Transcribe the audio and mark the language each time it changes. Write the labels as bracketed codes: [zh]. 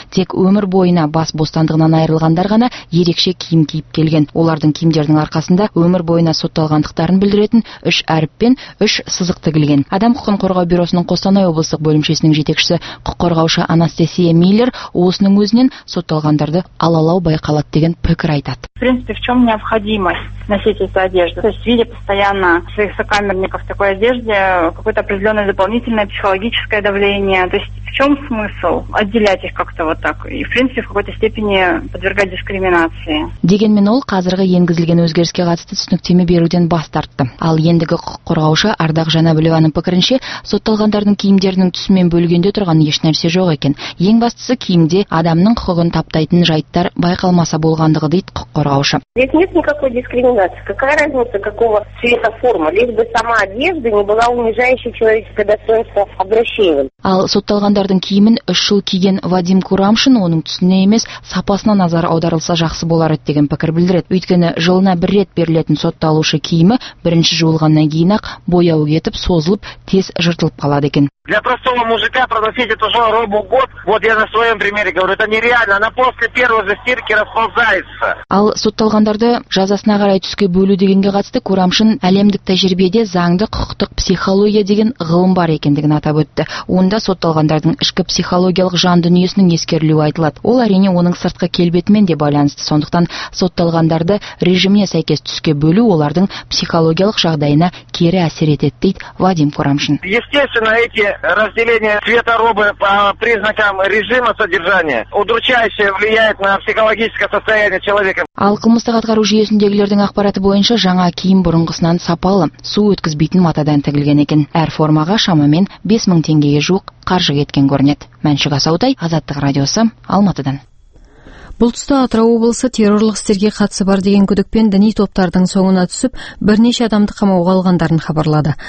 [kk] Тек өмір бойына бас бостандығынан айырылғандар ғана ерекше киім киіп келген. Олардың киімдерінің арқасында өмір бойына сотталғандықтарын білдіретін үш әріп пен үш сызық тігілген. Адам құқығын қорғау бюросының Қостанай облыстық бөлімшесінің жетекшісі құқық қорғаушы Анастасия Миллер осының өзінен сотталғандарды алалау байқалады деген пікір айтады. [ru] В принципе, в чем необходимость носить эту одежду? То есть, видя постоянно своих сокамерников в такой одежде, какое-то определенное дополнительное психологическое давление. То есть, в чем смысл отделять их как-то вот так? И, в принципе, в какой-то степени подвергать дискриминации. [kk] Дегенмен ол қазіргі енгізілген өзгеріске қатысты түсініктеме беруден бас тартты. Ал ендігі құқық қорғаушы Ардақ Жанабілеваның пікірінше, сотталғандардың киімдерінің түсімен бөлгенде тұрған еш нәрсе жоқ екен. Ең бастысы киімде адамның құқығын таптайтын жайттар байқалмаса болғандығы дейді құқық қорғаушы. [ru] Здесь нет никакой дискриминации. Какая разница, какого цвета форма? Лишь бы сама одежда не была унижающей человеческое достоинство обращением. [kk] Ал сотталғандардың киімін 3 жыл киген Вадим Курамшин оның түсіне емес, сапасына назар аударылса жақсы болар еді деген пікір білдіреді. Өйткені жылына бір рет берілетін сотталушы киімі бірінші жуылғаннан кейін ақ бояуы кетіп, созылып, тез жыртылып қалады екен. [ru] Для простого мужика проносить эту жаробу год, вот я на своем примере говорю, это нереально, она после первой же стирки расползается. [kk] Ал сотталғандарды жазасына қарай түске бөлу дегенге қатысты Курамшин әлемдік тәжірибеде заңды құқықтық психология деген ғылым бар екендігін атап өтті. Онда сотталғандардың ішкі психологиялық жан дүниесінің ескерілуі айтылады. Ол әрине оның сыртқы келбетімен де байланысты, сондықтан сотталғандарды режиміне сәйкес түске бөлу олардың психологиялық жағдайына кері әсер етеді, дейді Вадим Курамшин. [ru] Естественно, эти разделение цвета робы по признакам режима содержания удручающе влияет на психологическое состояние человека. [kk] Ал қылмыстық атқару жүйесіндегілердің ақпараты бойынша жаңа киім бұрынғысынан сапалы, су өткізбейтін матадан тігілген екен. Әр формаға шамамен 5000 теңгеге жуық қаржы кеткен көрінеді. Мәншүк Асаутай, Азаттық радиосы, Алматыдан. Бұл тұста Атырау облысы террорлық істерге қатысы бар деген күдікпен діни топтардың соңына түсіп, бірнеше адамды қамауға алғандарын хабарлады.